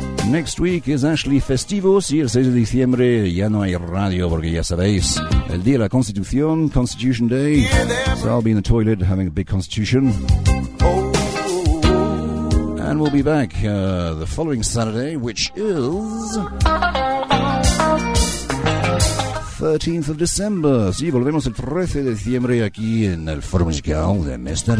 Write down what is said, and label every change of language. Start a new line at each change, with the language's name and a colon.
English: Next week is actually
Spanish: festivos y el 6 de diciembre ya no hay radio porque ya sabéis, el día de la Constitución,
English: Constitution Day. So I'll be in the toilet having a big constitution. And we'll be back the following Saturday, which is 13th of December.
Spanish: Sí, volvemos el 13 de diciembre aquí en el Foro Musical de Mr.